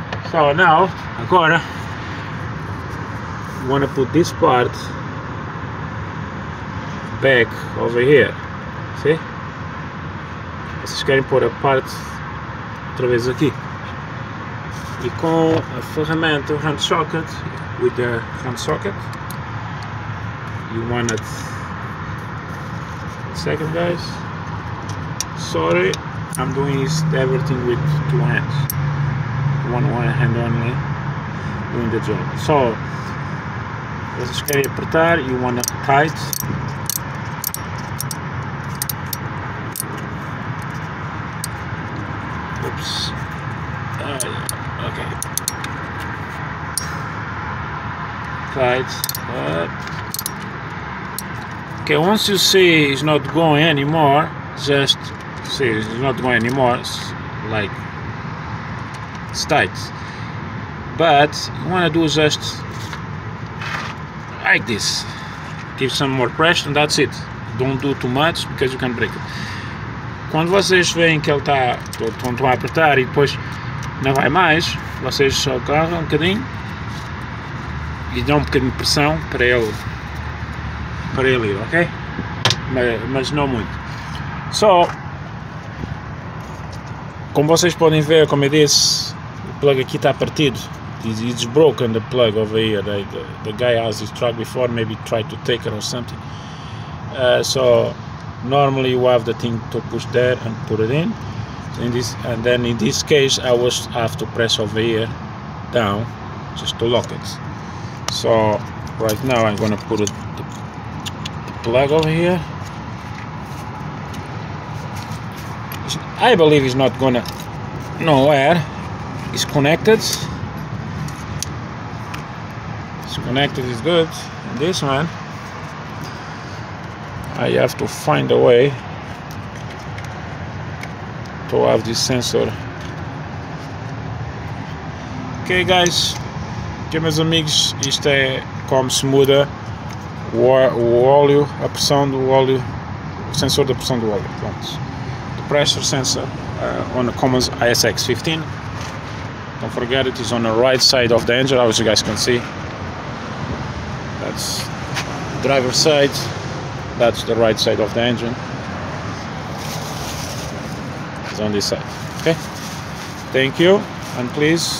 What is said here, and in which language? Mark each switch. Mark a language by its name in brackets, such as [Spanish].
[English] So now, [Portuguese] agora [English] wanna put this part back over here. See? [Portuguese] Vocês querem pôr a parte outra vez aqui. E com a ferramenta [English] hand socket, with the hand socket, you want it. Second, guys. Sorry, I'm doing this everything with two hands. One hand only doing the job. So [Portuguese] vocês querem apertar, [English] you want it tight. Oops. Okay. Tight. Okay, once you see it's not going anymore, just see it's not going anymore, it's like it's tight. But you want to do just like this, give some more pressure and that's it. Don't do too much because you can break it. [Portuguese] Quando vocês veem que ele está tonto a apertar e depois não vai mais, vocês só agarram um bocadinho e dão um bocadinho de pressão para ele ir, ok? Mas não muito. Só como vocês podem ver, como eu disse, o plug aqui está partido. [English] It's broken, the plug over here. The guy has this truck before, maybe tried to take it or something. So normally you have the thing to push there and put it in. In this case I was have to press over here down just to lock it. So right now I'm gonna put the plug over here. I believe it's not gonna nowhere. It's connected. Connected is good. This one, I have to find a way to have this sensor. Okay, guys, okay, [Portuguese] meus amigos, isto é como se muda o sensor da pressão do óleo, pronto. [English] The pressure sensor on the Cummins ISX 15. Don't forget it is on the right side of the engine, as you guys can see. That's driver's side, that's the right side of the engine. It's on this side, okay? Thank you, and please don't forget to share, subscribe,